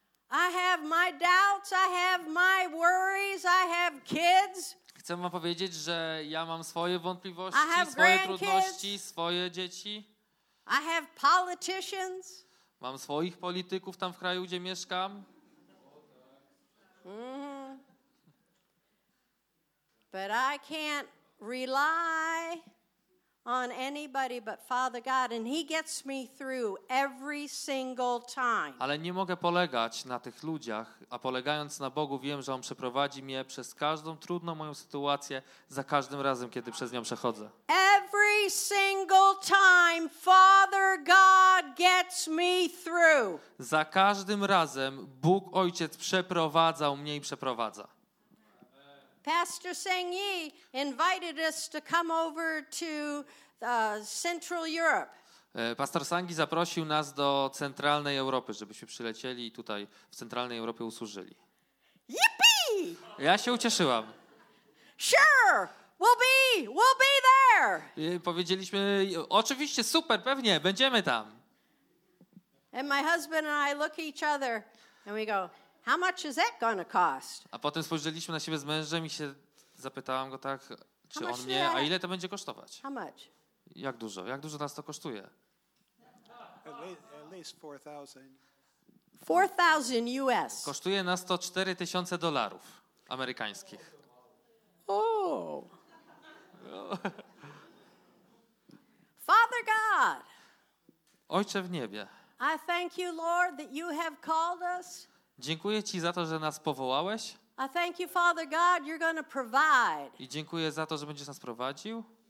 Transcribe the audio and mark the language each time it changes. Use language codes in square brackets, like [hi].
[en] I have my doubts, I have my worries, I have kids. [pl] Chcę wam powiedzieć, że ja mam swoje wątpliwości, swoje trudności, swoje dzieci. [en] I have politicians. [pl] Mam swoich polityków tam w kraju, gdzie mieszkam. Mm-hmm. [en] But I can't rely on anybody but Father God, and He gets me through every single time. [pl] Ale nie mogę polegać na tych ludziach, a polegając na Bogu, wiem, że On przeprowadzi mnie przez każdą trudną moją sytuację za każdym razem, kiedy przez nią przechodzę. [en] Every single time, Father God gets me through. [pl] Za każdym razem Bóg Ojciec przeprowadzał mnie i przeprowadza. [en] Pastor Seng Yi invited us to come over to Central Europe. [pl] Pastor Sangi zaprosił nas do centralnej Europy, żebyśmy przylecieli i tutaj w centralnej Europie usłużyli. [en] Yippee! [pl] Ja się ucieszyłam. [en] Sure, we'll be there. [pl] Powiedzieliśmy, oczywiście, super, pewnie, będziemy tam. [en] And my husband and I look at each other and we go, how much is that gonna cost? [pl] A potem spojrzeliśmy na siebie z mężem i się zapytałam go tak, czy on mnie, a ile to będzie kosztować? [en] How much? [pl] Jak dużo nas to kosztuje? [en] At least 4,000. 4,000 US. [pl] Kosztuje nas to 4,000 dolarów amerykańskich. Oh. [en] Father God. [pl] Ojcze w niebie. [en] I thank you, Lord, that you have called us. [pl] Dziękuję Ci za to, że nas powołałeś. [en] I thank you, Father God, you're going to provide. [pl] I dziękuję za to, że będziesz nas prowadził.